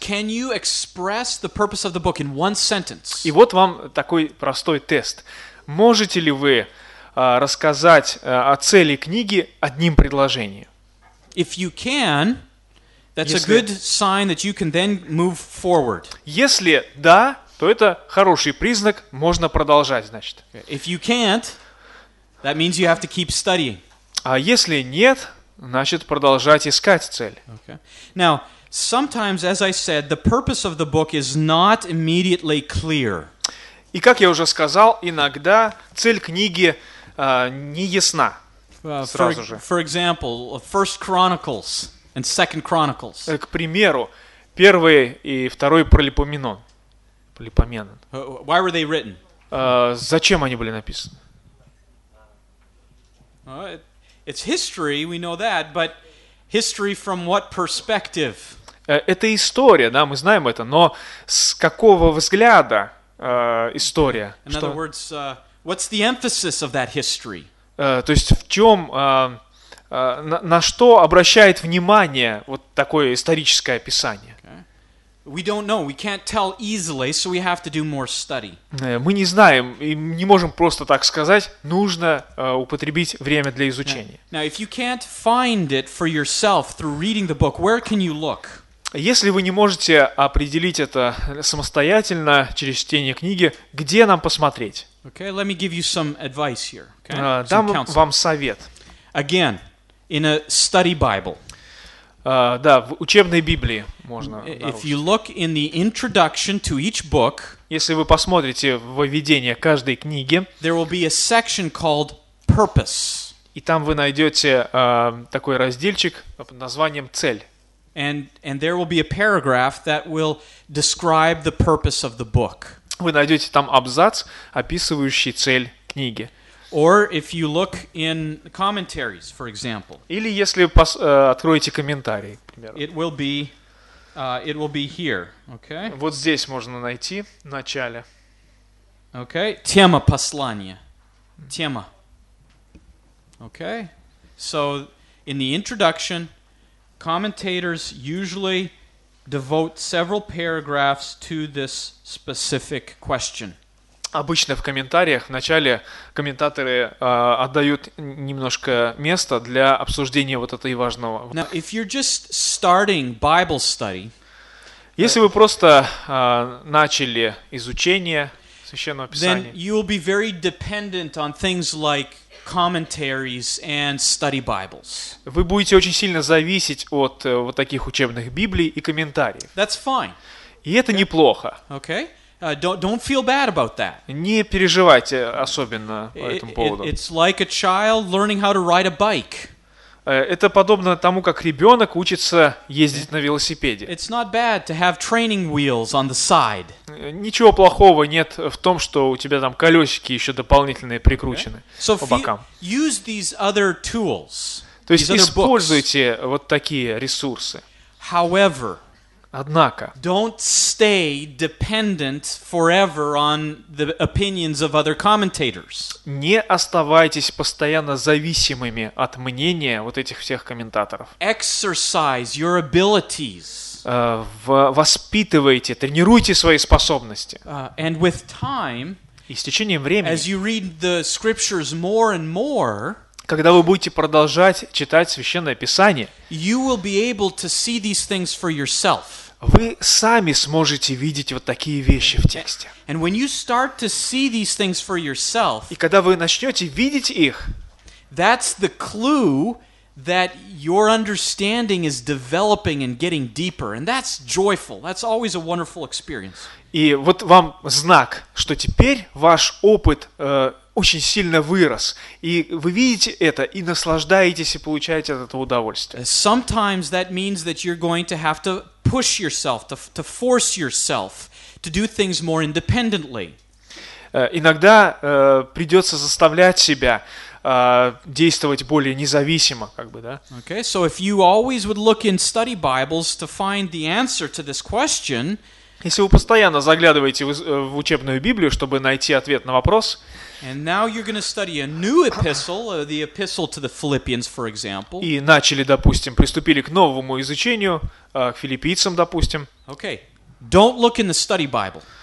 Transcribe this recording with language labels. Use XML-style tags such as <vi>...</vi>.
<en>Can you express the purpose of the book in one sentence?</en> <ru>И вот вам такой простой тест. Можете ли вы рассказать о цели книги одним предложением?</ru> <en>If you can, that's a good sign that you can then move forward.</en> <ru>Если да, то это хороший признак, можно продолжать, значит.</ru> <en>If you can't, that means you have to keep studying.</en> <ru>А если нет, значит, продолжать искать цель.</ru> <en>Okay. Now, sometimes, as I said, the purpose of the book is not immediately clear.</en> <ru>И как я уже сказал, иногда цель книги не ясна сразу же.</ru> <en>For example, First Chronicles and Second Chronicles.</en> <ru>К примеру, первый и второй Пролипоменон. Пролипоменон.</ru> <en>Why were they written?</en> <ru>Зачем они были написаны?</ru> <en>It's history, we know that, but history from what perspective?</en> <ru>Это история, да, мы знаем это, но с какого взгляда история?</ru> <en>In other words, what's the emphasis of that history?</en> <ru>То есть в чем, на что обращает внимание вот такое историческое описание?</ru> <en>We don't know, we can't tell easily, so we have to do more study.</en> <ru>Мы не знаем и не можем просто так сказать, нужно употребить время для изучения.</ru> <en>Now, if you can't find it for yourself through reading the book, where can you look?</en> <ru>Если вы не можете определить это самостоятельно через чтение книги, где нам посмотреть?</ru> <en>Okay, let me give you some advice here, okay?</en> <ru>Дам вам совет.</ru> <en>Again, in a study Bible.</en> <ru>Да, в учебной Библии можно.</ru> <en>If you look in the introduction to each book,</en> <ru>если вы посмотрите во введение каждой книги,</ru> <en>there will be a section called purpose.</en> <ru>И там вы найдете такой разделчик под названием цель.</ru> <en>And there will be a paragraph that will describe the purpose of the book.</en> <ru>Вы найдете там абзац, описывающий цель книги.</ru> <en>Or if you look in commentaries, for example.</en> <ru>Или если откроете комментарий, к примеру.</ru> <en>It will be here, okay?</en> <ru>Вот здесь можно найти в начале. Okay, тема послания. Тема. Okay?</ru> <en>So, in the introduction, commentators usually devote several paragraphs to this specific question.</en> <ru>Обычно в комментариях вначале комментаторы отдают немножко места для обсуждения вот этого важного.</ru> <en>Now, if you're just starting Bible study,</en> <ru>если вы просто начали изучение Священного Писания,</ru> <en>then you will be very dependent on things like commentaries and study Bibles.</en> <ru>Вы будете очень сильно зависеть от вот таких учебных Библий и комментариев.</ru> <en>That's fine.</en> <ru>И это неплохо.</ru> <en>Okay. Don't feel bad about that.</en> <ru>Не переживайте особенно по этому поводу.</ru> <en>It's like a child learning how to ride a bike.</en> <ru>Это подобно тому, как ребенок учится ездить на велосипеде.</ru> <en>It's not bad to have training wheels on the side.</en> <ru>Ничего плохого нет в том, что у тебя там колесики еще дополнительные прикручены по бокам.</ru> <en>Use these other tools.</en> <ru>То есть используйте вот такие ресурсы.</ru> <en>However,</en> <ru>однако,</ru> <en>don't stay dependent forever on the opinions of other commentators.</en> <ru>Не оставайтесь постоянно зависимыми от мнения вот этих всех комментаторов.</ru> <en>Exercise your abilities.</en> <ru>Воспитывайте, тренируйте свои способности.</ru> <en>And with time,</en> <ru>и с течением времени,</ru> <en>as you read the scriptures more and more,</en> <ru>когда вы будете продолжать читать Священное Писание,</ru> <en>you will be able to see these things for yourself.</en> <ru>Вы сами сможете видеть вот такие вещи в тексте.</ru> <en>And when you start to see these things for yourself,</en> <ru>и когда вы начнете видеть их,</ru> <en>that's the clue that your understanding is developing and getting deeper. And that's joyful. That's always a wonderful experience.</en> <ru>И вот вам знак, что теперь ваш опыт очень сильно вырос. И вы видите это, и наслаждаетесь, и получаете от этого удовольствие.</ru> <en>Sometimes that means that you're going to have to push yourself, to force yourself to do things more independently.</en> <ru>Иногда придется заставлять себя действовать более независимо, как бы, да?</ru> <en>Okay, so if you always would look in study Bibles to find the answer to this question,</en> <ru>Если вы постоянно заглядываете в учебную Библию, чтобы найти ответ на вопрос, и начали, допустим, приступили к новому изучению, к филиппийцам, допустим.</ru> <en>Okay. Don't look in the study Bible.</en>